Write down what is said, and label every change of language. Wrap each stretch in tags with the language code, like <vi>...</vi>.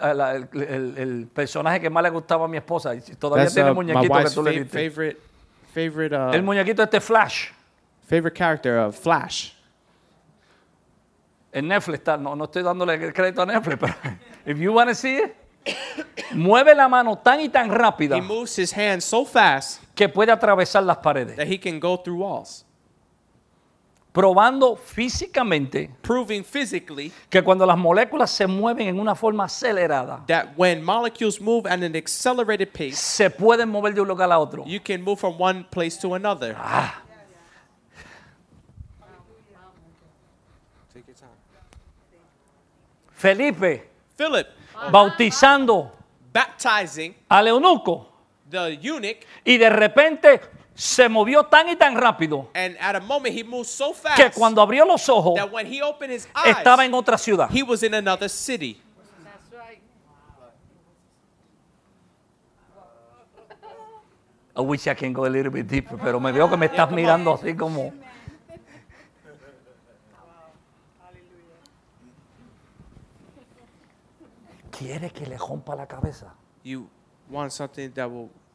<es>El personaje que más le gustaba a mi esposa. Todavía tiene el muñequito que tú le diste.</es> <en>Favorite.</en> <es>El muñequito este Flash.</es> <en>Favorite character of Flash.</en> <es>En Netflix está, no estoy dándole crédito a Netflix, pero</es> <en>if you want to see it,</en> <es>mueve la mano tan y tan rápida,</es> <en>he moves his hand so fast,</en> <es>que puede atravesar las paredes,</es> <en>that he can go through walls,</en> <es>probando físicamente,</es> <en>proving physically,</en> <es>que cuando las moléculas se mueven en una forma acelerada,</es> <en>that when molecules move at an accelerated pace,</en> <es>se pueden mover de un lugar a otro,</es> <en>you can move from one place to another. Ah.</en> <es>Felipe,</es> <en>Philip,</en> <es>bautizando,</es> <en>baptizing,</en> <es>al eunuco,</es> <en>the eunuch,</en> <es>y de repente se movió tan y tan rápido,</es> <en>and at a moment he moved so fast,</en> <es>que cuando abrió los ojos,</es> <en>that when he opened his eyes,</en> <es>estaba en otra ciudad,</es> <en>he was in another city. That's right. I wish I can go a little bit deeper,</en> <es>pero me veo que me estás mirando así como. ¿Quiere que le rompa la cabeza?</es> <en>You want something that will</en>